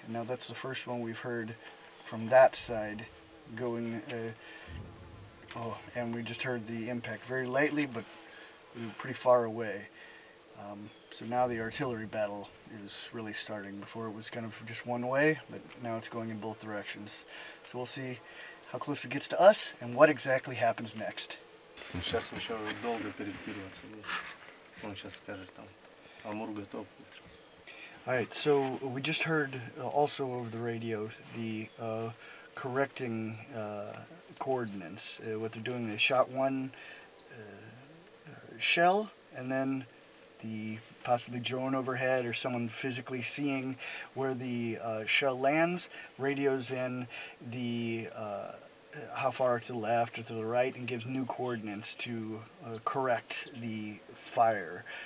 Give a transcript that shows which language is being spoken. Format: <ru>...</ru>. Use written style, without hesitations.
<en>Now that's the first one we've heard from that side going, and we just heard the impact very lightly, but we were pretty far away. So now the artillery battle is really starting. Before it was kind of just one way, but now it's going in both directions. So we'll see how close it gets to us, and what exactly happens next.</en> <ru>Сейчас еще долго перекидываться будет. Он сейчас скажет там, Амур готов.</ru> <en>All right, so we just heard also over the radio the correcting coordinates. What they're doing, they shot one shell, and then the possibly drone overhead or someone physically seeing where the shell lands, radios in the how far to the left or to the right, and gives new coordinates to correct the fire.</en>